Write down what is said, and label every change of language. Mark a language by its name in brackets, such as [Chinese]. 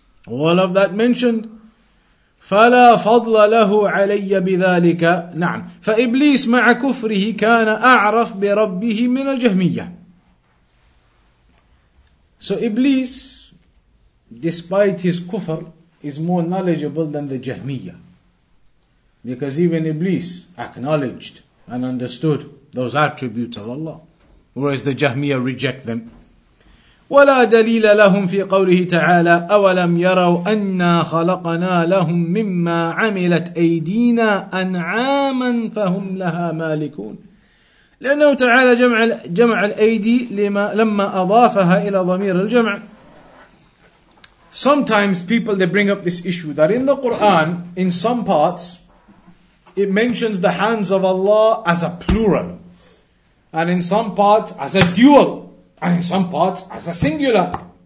[English] All of that mentioned. [Arabic] فَلَا فَضْلَ لَهُ عَلَيَّ بِذَٰلِكَ نَعْمْ فَإِبْلِيسَ مَعَ كُفْرِهِ كَانَ أَعْرَفْ بِرَبِّهِ مِنَ الْجَهْمِيَّةِ [English] So Iblis, despite his kufr, is more knowledgeable than the Jahmiyyah. Because even Iblis acknowledged and understood those attributes of Allah. Whereas the Jahmiyyah reject them. [Arabic] وَلَا دَلِيلَ لَهُمْ فِي قَوْلِهِ تَعَالَىٰ أَوَلَمْ يَرَوْا أَنَّا خَلَقَنَا لَهُمْ مِمَّا عَمِلَتْ أَيْدِينَا أَنْعَامًا فَهُمْ لَهَا مَالِكُونَ لأنه تعالى جمع الأيدي لما أضافها إلى ضمير الجمع. [English] Sometimes people, they bring up this issue that in the Quran, in some parts, it mentions the hands of Allah as a plural. And in some parts, as a dual. And in some parts, as a singular.